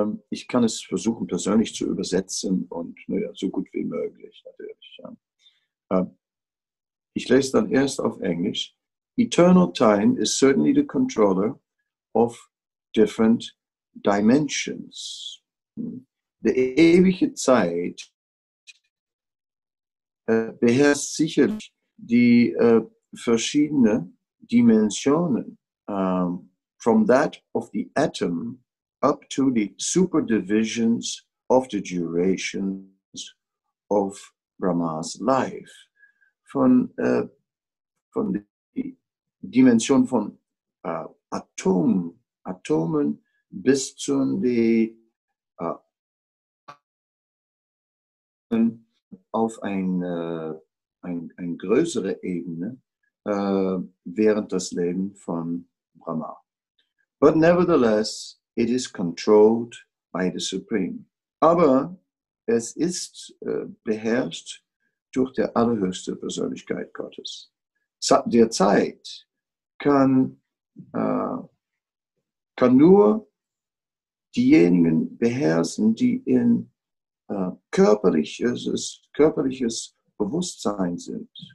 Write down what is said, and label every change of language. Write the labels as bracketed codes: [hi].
[de] Ich kann es versuchen, persönlich zu übersetzen und naja, so gut wie möglich natürlich. Ja. Ich lese dann erst auf Englisch. [en] Eternal time is certainly the controller of different dimensions. [de] Die ewige Zeit beherrscht sicherlich die verschiedene Dimensionen, [en] from that of the atom up to the superdivisions of the durations of Brahma's life. [de] Von der Dimension von Atomen bis zu den auf eine größere Ebene. Während das Leben von Brahma. [en] But nevertheless, it is controlled by the Supreme. [de] Aber es ist beherrscht durch der allerhöchste Persönlichkeit Gottes. Derzeit kann nur diejenigen beherrschen, die in körperliches Bewusstsein sind.